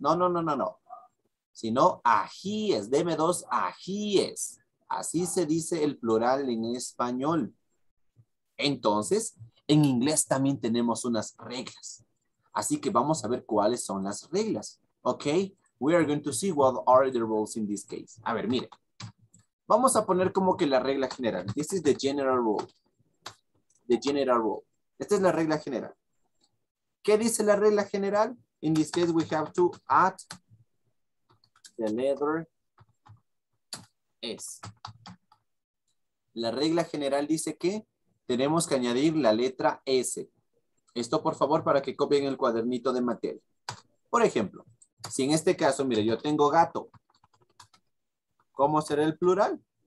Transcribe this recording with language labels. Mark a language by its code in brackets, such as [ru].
[es] No. Sino ajíes, deme dos ajíes. Así se dice el plural en español. Entonces, en inglés también tenemos unas reglas. Así que vamos a ver cuáles son las reglas. ¿Ok? [en] We are going to see what are the rules in this case. [es] A ver, mire. Vamos a poner como que la regla general. [en] This is the general rule. The general rule. [es] Esta es la regla general. ¿Qué dice la regla general? [en] In this case, we have to add the letter S. [es] La regla general dice que tenemos que añadir la letra S. Esto, por favor, para que copien el cuadernito de Mattel. Por ejemplo, si en este caso, mire, yo tengo gato. ¿Cómo será el plural?